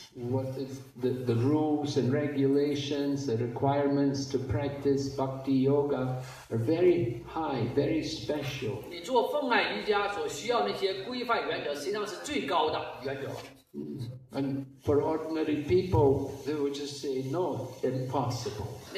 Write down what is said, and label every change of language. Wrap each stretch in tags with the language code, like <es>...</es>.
<en>What is the rules and regulations, the requirements to practice bhakti yoga are very high, very special.</en> <zh>你做奉爱瑜伽所需要那些规范原则，实际上是最高的原则。</zh> <en>And for ordinary people, they would just say, no, impossible.</en>